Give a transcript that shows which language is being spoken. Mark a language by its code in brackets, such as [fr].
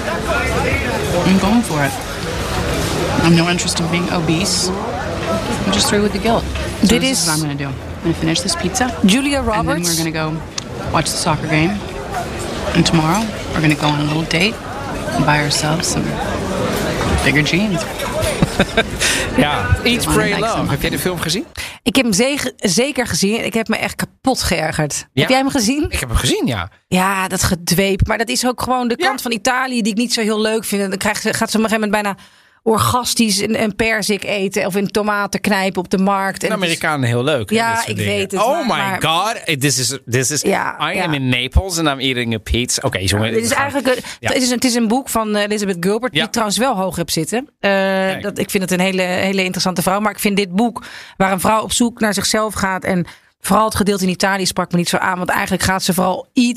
[en] I'm going for it. I'm no interest in being obese. I'm just through with the guilt. So this is what I'm going to do. I'm going to finish this pizza. Julia Roberts. And then we're going to go watch the soccer game. And tomorrow we're going to go on a little date and buy ourselves some bigger jeans. [nl] Ja, Eat, Pray, Love. Heb jij de film gezien? Ik heb hem zeker gezien. Ik heb me echt kapot geërgerd. Ja? Heb jij hem gezien? Ik heb hem gezien, ja. Ja, dat gedweep. Maar dat is ook gewoon de kant van Italië die ik niet zo heel leuk vind. Dan gaat ze op een gegeven moment bijna orgastisch een perzik eten of in tomaten knijpen op de markt. En Amerikanen heel leuk. Ja, ik weet het. [en] Oh my god, this is I am in Naples and I'm eating a pizza. [nl] Oké, jongen. Dit is eigenlijk het is een boek van Elizabeth Gilbert die trouwens wel hoog hebt zitten. Dat ik vind het een hele interessante vrouw, maar ik vind dit boek waar een vrouw op zoek naar zichzelf gaat en vooral het gedeelte in Italië sprak me niet zo aan, want eigenlijk gaat ze vooral